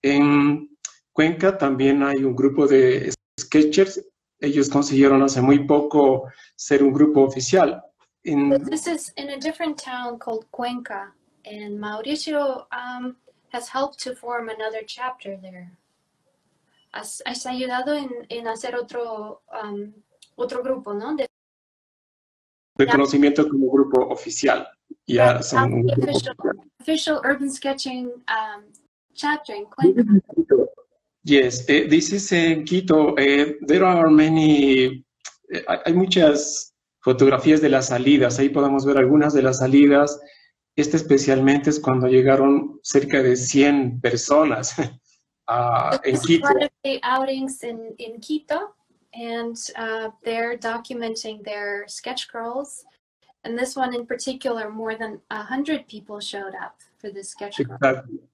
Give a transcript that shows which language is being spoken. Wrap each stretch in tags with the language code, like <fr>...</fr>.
<es>En Cuenca también hay un grupo de sketchers. Ellos consiguieron hace muy poco ser un grupo oficial.</es> <en>So this is in a different town called Cuenca, and Mauricio has helped to form another chapter there.</en> <es>Has ayudado en hacer otro grupo, ¿no? Reconocimiento como grupo oficial. Yeah,</es> <en>some official urban sketching chapter in Cuenca. Yes, this is in Quito. There are many,</en> <es>hay muchas fotografías de las salidas,</es> <en>ahí podemos ver algunas de las salidas.</en> <es>Este especialmente es cuando llegaron cerca de 100 personas en Quito.</es> <en>This is one of the outings in Quito, and they're documenting their sketch girls. And this one in particular, more than 100 people showed up for this sketch girl.</en>